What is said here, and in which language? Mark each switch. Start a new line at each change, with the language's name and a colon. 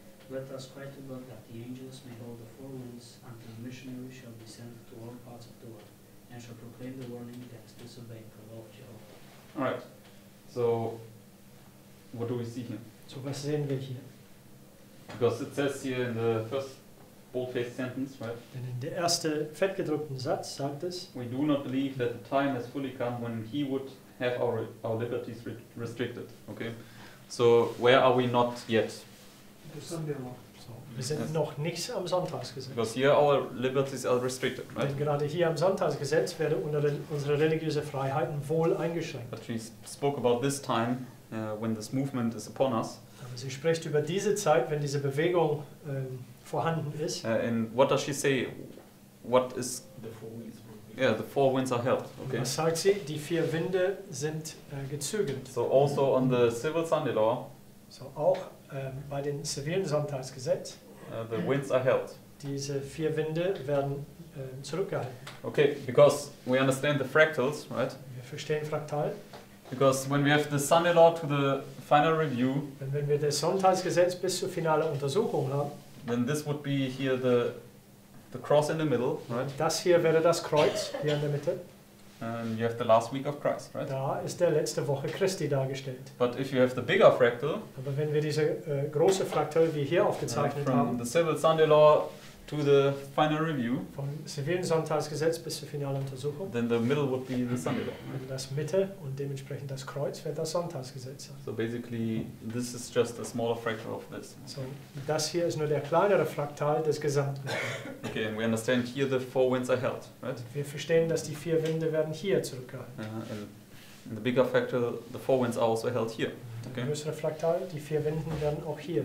English: Let us cry to God that the angels may hold the four winds until the missionaries shall be sent to all parts of the world and shall proclaim the warning against disobeying the law of Jehovah. All right. So what do we see here?
German: So was sehen wir hier?
English: Because it says here in the first bold-faced sentence, right?
German: Denn in der erste fettgedruckten Satz sagt es,
English: we do not believe that the time has fully come when he would have our liberties restricted. Okay, so where are we not yet? The Sunday law.
German: Wir sind noch nicht am Sonntagsgesetz.
English: Because here our liberties are restricted, right?
German: Denn gerade hier am Sonntagsgesetz werden unsere religiösen Freiheiten wohl eingeschränkt.
English: But we spoke about this time when this movement is upon us.
German: Aber sie spricht über diese Zeit, wenn diese Bewegung vorhanden ist.
English: And what does she say? What is the four winds? Yeah, the four winds are held. Okay.
German: Was sagt sie? Die vier Winde sind gezügelt.
English: So also on the civil Sunday law.
German: So auch bei dem zivilen Sonntagsgesetz.
English: The winds are held.
German: Diese vier Winde werden zurückgehalten.
English: Okay, because we understand the fractals, right?
German: Wir verstehen Fraktal.
English: Because when we have the Sunday law to the final review.
German: Wenn wir das Sonntagsgesetz bis zur finalen Untersuchung haben.
English: Then this would be here the. The cross in the middle, right?
German: Das hier wäre das Kreuz hier in der Mitte.
English: And you have the last week of Christ, right?
German: Da ist der letzte Woche Christi dargestellt.
English: But if you have the bigger fractal,
German: aber wenn wir diese große Fraktal wie hier aufgezeichnet
English: from
German: haben,
English: the civil Sunday law to the final review,
German: vom zivilen Sonntagsgesetz bis zur finalen Untersuchung,
English: then the middle would be the Sunday law, right?
German: Das Mitte und dementsprechend das Kreuz wäre das Sonntagsgesetz.
English: So basically, this is just a smaller fractal of this.
German: So das hier ist nur der kleinere Fraktal des Gesamten.
English: Okay, and we understand here the four winds are held, right?
German: Wir verstehen, dass die vier Winde werden hier zurückgehalten.
English: And the bigger fractal, the four winds are also held here. Okay.
German: Der größere Fraktal, die vier Winden werden auch hier.